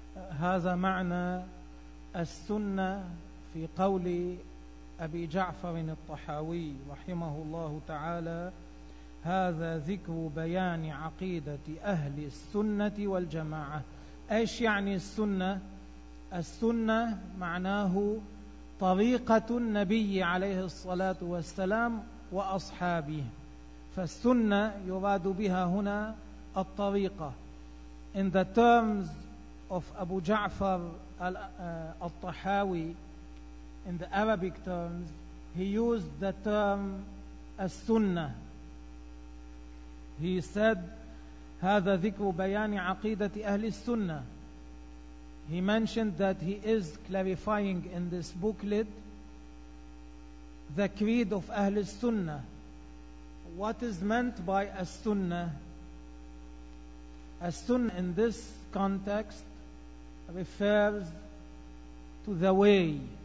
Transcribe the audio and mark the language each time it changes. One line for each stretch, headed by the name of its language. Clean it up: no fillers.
Arabic: هذا معنى السنة في قول أبي جعفر الطحاوي رحمه الله تعالى: هذا ذكر بيان عقيدة أهل السنة والجماعة. أيش يعني السنة؟ السنة معناه طريقة النبي عليه الصلاة والسلام وأصحابه، فالسنة يراد بها هنا الطريقة.
English: In the terms of أبو جعفر الطحاوي, in the Arabic terms, he used the term as-sunnah. He said,
Arabic: هَذَا ذِكْرُ بَيَانِ عَقِيدَةِ أَهْلِ السُّنَّةِ.
English: He mentioned that he is clarifying in this booklet the creed of Ahlul Sunnah. What is meant by as-sunnah? As-sunnah in this context refers to the way.